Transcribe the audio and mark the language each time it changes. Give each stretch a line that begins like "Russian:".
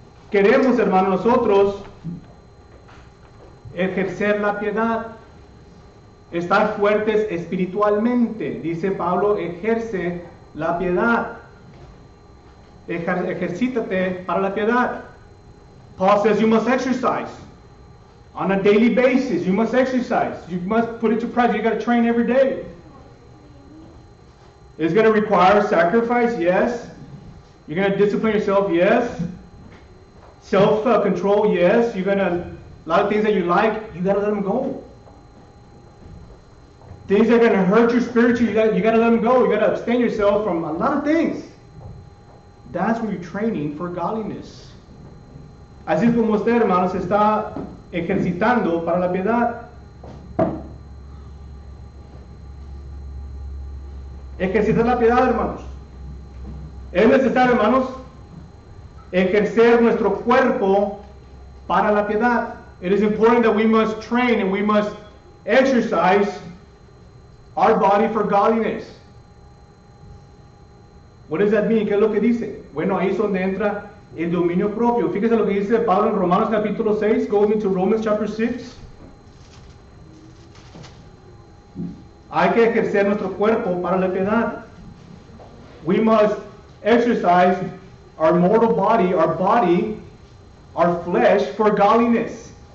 Spanish: Queremos, hermanos, nosotros ejercer la piedad, estar fuertes espiritualmente. Dice Pablo, ejerce la piedad, ejercítate para la piedad.
English: Paul says you must exercise on a daily basis. You must exercise. You must put it to practice. You got to train every day. It's going to require sacrifice, yes. You're going to discipline yourself, yes. Self-control, yes. You're going to, a lot of things that you like, you got to let them go. Things that are going to hurt your spiritual, you got to let them go. You got to abstain yourself from a lot of things. That's when you're training for godliness.
Spanish: Así como usted, hermano, se está ejercitando para la piedad. Ejercitar la piedad, hermanos. Es necesario, hermanos, ejercer nuestro cuerpo para la piedad.
English: It is important that we must train and we must exercise our body for godliness. What does that mean?
Spanish: ¿Qué es lo que dice? Bueno, ahí es donde entra el dominio propio. Fíjese lo que dice Pablo en Romanos capítulo 6.
English: Go into Romans chapter 6.
Spanish: Hay que ejercer nuestro cuerpo para la piedad.
English: We must exercise our mortal body, our flesh for godliness.